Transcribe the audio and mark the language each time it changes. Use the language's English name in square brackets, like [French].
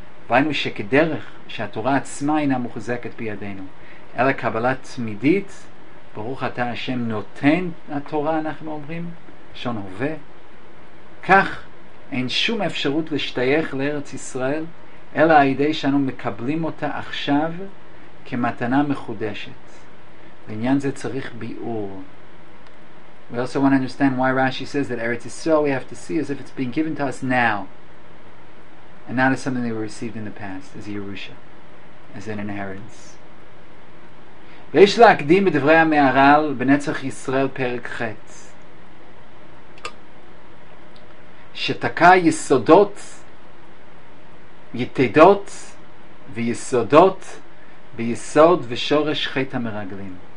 [Hebrew] ראינו שכדרך שהתורה עצמה אינה מוחזקת בידינו, אלא קבלה תמידית, ברוך אתה השם נותן התורה, אנחנו אומרים, שון הווה. כך אין שום אפשרות להשתייך לארץ ישראל, אלא הידי שאנו מקבלים אותה עכשיו כמתנה מחודשת. לעניין זה צריך ביאור. [English] We also want to understand why Rashi says that Eretz Yisrael we have to see as if it's being given to us now and not as something that we received in the past as Yerusha, as an inheritance. [Hebrew] ויש להקדים בדברי המהר"ל בנצח ישראל פרק ח' שתקע יסודות יתדות ויסודות ביסוד ושורש חטא המרגלים.